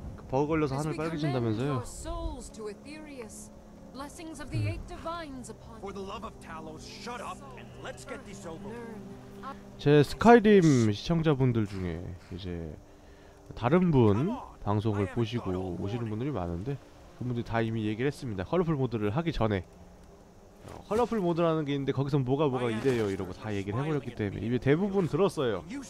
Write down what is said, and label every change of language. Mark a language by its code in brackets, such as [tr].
[ko] 버그 걸려서 하늘 빨개진다면서요. [en] For the love of Talos, shut up and let's get this over. [ko] 제 스카이림 시청자분들 중에 이제 다른 분 방송을 보시고 오시는 분들이 많은데 그분들이 다 이미 얘기를 했습니다. 컬러풀 모드를 하기 전에 컬러풀 모드라는 게 있는데 거기서 뭐가 이래요 이러고 다 얘기를 해버렸기 때문에 이미 대부분 들었어요.